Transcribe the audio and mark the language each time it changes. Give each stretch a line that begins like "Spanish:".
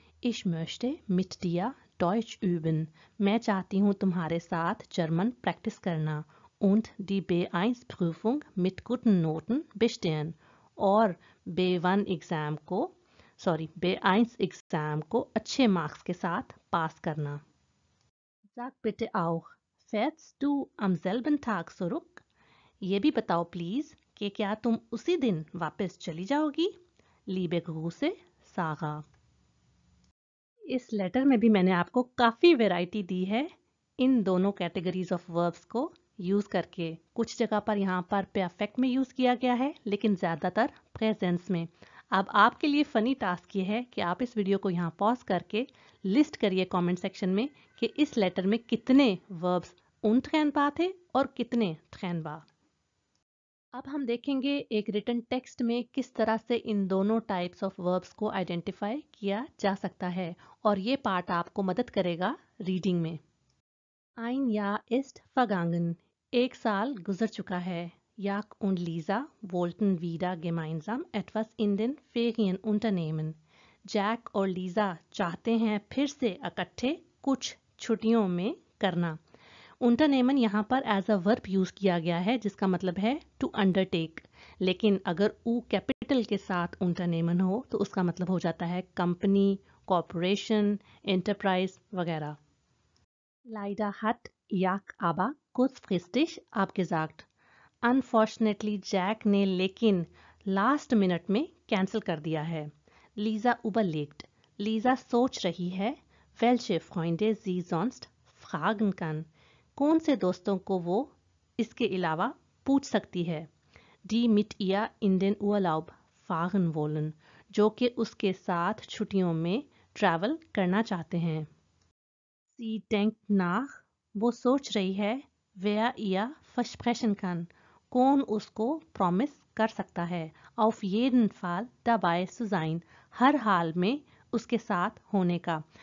German: इश मोश्टे मिट दिया डॉयच यूबन,
Hindi: मैं चाहती हूँ तुम्हारे साथ जर्मन प्रैक्टिस करना।
German: Und die B1-Prüfung mit guten Noten bestehen,
Hindi: और B1 एग्जाम को अच्छे मार्क्स के साथ पास करना।
German: Sag bitte auch, fährst du am selben Tag zurück?
Hindi: ये भी बताओ प्लीज कि क्या तुम उसी दिन वापस चली जाओगी।
German: Liebe Grüße, Sarah।
Hindi: इस लेटर में भी मैंने आपको काफी वैरायटी दी है इन दोनों कैटेगरीज ऑफ वर्ब्स को यूज़ करके। कुछ जगह पर यहाँ पर परफेक्ट में यूज़ किया गया है, लेकिन ज़्यादातर प्रेजेंस में। अब आपके लिए फ़नी टास्क ये है कि आप इस वीडियो को यहाँ पॉज करके लिस्ट करिए कमेंट सेक्शन में कि इस लेटर में कितने वर्ब्स उन थैन बा थे और कितने थैन बा। अब हम देखेंगे एक रिटन टेक्स्ट में किस तरह से इन दोनों टाइप्स ऑफ वर्ब्स को आइडेंटिफाई किया जा सकता है, और ये पार्ट आपको मदद करेगा रीडिंग में।
German: Ein Jahr ist vergangen,
Hindi: एक साल गुजर चुका है।
German: याक und Lisa wollten wieder gemeinsam etwas in den Ferien unternehmen.
Hindi: Jack और Lisa चाहते हैं फिर से इकट्ठे कुछ छुट्टियों में करना। Unternehmen यहाँ पर
English: as a verb
Hindi: use किया गया है जिसका मतलब है
English: to undertake,
Hindi: लेकिन अगर u capital के साथ unternehmen हो तो उसका मतलब हो जाता है company, corporation, enterprise वगैरह।
German: Leider hat Jack aber kurzfristig abgesagt.
English: Unfortunately,
Hindi: Jack ne lekin last minute mein cancel kar diya hai.
German: Lisa überlegt.
Hindi: Lisa soch rahi hai,
German: welche Freunde sie sonst fragen kann.
Hindi: Kaun se doston ko wo iske ilawa pooch sakti hai.
German: Die mit ihr in den Urlaub fahren wollen.
Hindi: Jo ke uske saath chhuttiyon mein travel karna chahte hain.
German: Sie denkt nach,
Hindi: वो सोच रही है,
German: wer ihr versprechen kann,
Hindi: कौन उसको promise कर सकता है,
German: auf jeden Fall dabei zu sein,
Hindi: हर हाल में उसके साथ होने का।